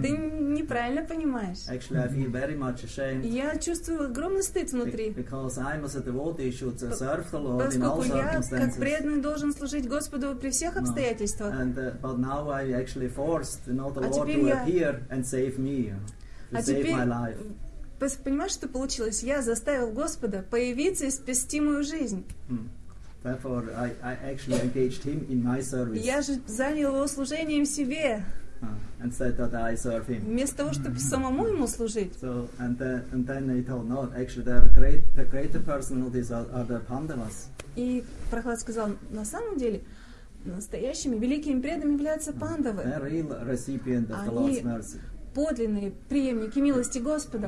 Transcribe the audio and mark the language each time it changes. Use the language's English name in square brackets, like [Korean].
[Russian] Ты неправильно понимаешь. [English] Actually, I feel very much ashamed. [Russian] Я чувствую огромный стыд внутри. [English] Because I'm as a devotee should serve the Lord in all circumstances. [Russian] Поскольку я, как преданный, должен служить Господу при всех обстоятельствах. [English] No. And but now I actually forced, you know, the Lord to appear and save me, save my life. [Russian] Понимаешь, что получилось? Я заставил Господа появиться и спасти мою жизнь. [English] Therefore, I actually engaged him in my service. [Russian] Я же занял его служением себе. [English] And said that I serve him. [Russian] Вместо того, чтобы самому ему служить. [English] So and then he told, no, actually, the greater personalities are the Pandavas. [Russian] И Прохлад сказал, на самом деле, настоящими великими преданными являются Пандавы. [English] They're real recipient of the Lord's mercy. [Russian] Подлинные преемники милости Господа.